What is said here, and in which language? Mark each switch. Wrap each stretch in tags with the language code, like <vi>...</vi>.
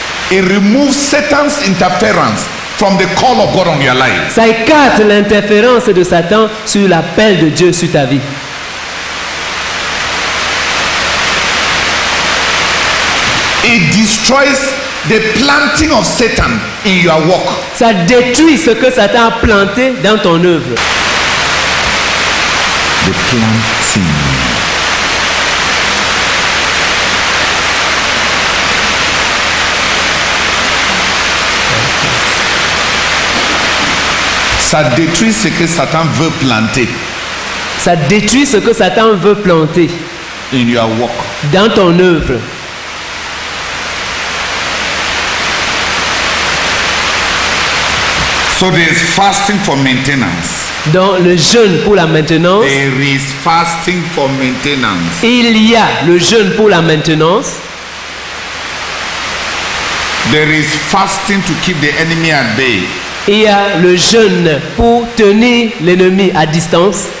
<en>It removes Satan's interference from the call of God on your life.</en> <fr>Ça écarte l'interférence de Satan sur l'appel de Dieu sur ta vie.</fr> <en>It destroys the planting of Satan in your work.</en> <fr>Ça détruit ce que Satan a planté dans ton œuvre.</fr> <en>The planting.</en> <fr>Ça détruit ce que Satan veut planter. Ça détruit ce que Satan veut planter.</fr> <en>In your work.</en> <fr>Dans ton œuvre.</fr> <en>So there is fasting for maintenance.</en> <fr>Dans le jeûne pour la maintenance.</fr> <en>There is fasting for maintenance.</en> <fr>Il y a le jeûne pour la maintenance.</fr> <en>There is fasting to keep the enemy at bay.</en> <fr>Il y a le jeûne pour tenir l'ennemi à distance.</fr>